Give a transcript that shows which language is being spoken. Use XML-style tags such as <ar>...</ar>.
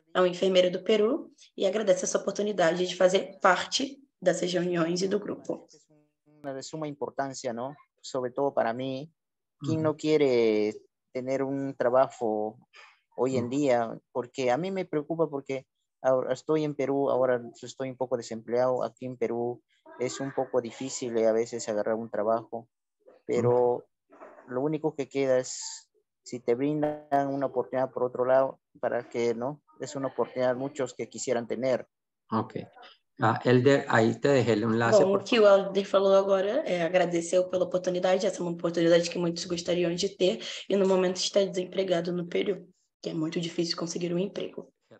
<pt>É um enfermeiro do Peru e agradece essa oportunidade de fazer parte dessas reuniões e do grupo. Uma de suma importância, não? Sobretudo para mim, quem não quer ter trabalho hoje em dia, porque a mim me preocupa, porque</pt> <es>estoy en Perú, ahora estoy un poco desempleado. Aquí en Perú es un poco difícil a veces agarrar un trabajo, pero lo único que queda es si te brindan una oportunidad por otro lado, para que no, es una oportunidad muchos que quisieran tener. Ok. Elder, ahí te dejé el enlace.</es> <pt>Bom, o que o Elder falou agora é agradeceu pela oportunidade, essa é uma oportunidade que muitos gostariam de ter, e no momento está desempregado no Peru, que é muito difícil conseguir emprego.</pt>